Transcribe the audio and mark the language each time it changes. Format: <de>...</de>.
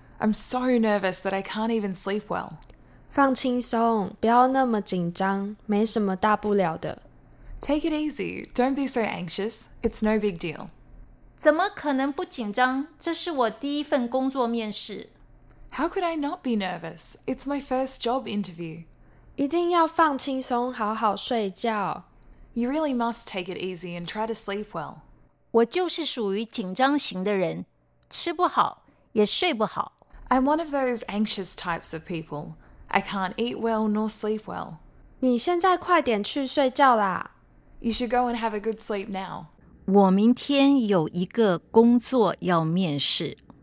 <en>I'm so nervous that I can't even sleep well.</en> <zh>放轻松，不要那么紧张，没什么大不了的。</zh> <en>Take it easy. Don't be so anxious. It's no big deal.</en> <zh>怎么可能不紧张？这是我第一份工作面试。</zh> <en>How could I not be nervous? It's my first job interview.</en> <zh>一定要放轻松，好好睡觉。</zh> <en>You really must take it easy and try to sleep well.</en> <zh>我就是属于紧张型的人，吃不好，也睡不好。</zh> <en>I'm one of those anxious types of people. I can't eat well nor sleep well.</en> <zh>你现在快点去睡觉啦。</zh> <en>You should go and have a good sleep now.</en> <zh>我明天有一个工作要面试。</zh>